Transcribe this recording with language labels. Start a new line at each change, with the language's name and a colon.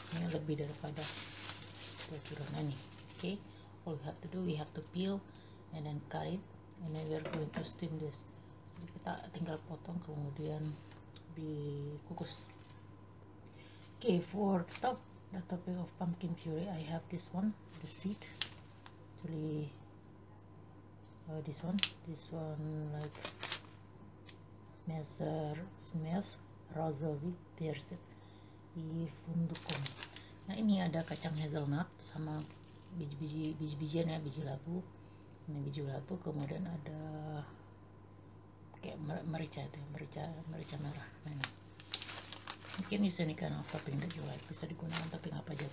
Indonesian: Ini lebih daripada kilonya nih.
English: Oke. Okay. All we have to do, we have to peel and then cut it and then we're going to steam this.
Indonesian: Jadi kita tinggal potong kemudian dikukus.
English: Okay, for the topic of pumpkin puree, I have this one, the seed, actually this one like smells rosy, there's it, ifundukum.
Indonesian: Nah ini ada kacang hazelnut sama biji-bijian ya, biji labu, ini biji labu, kemudian ada kayak merica itu, merica merah. Nah, mungkin bisa ini
English: kind of topping that you like,
Indonesian: bisa digunakan topping apa aja.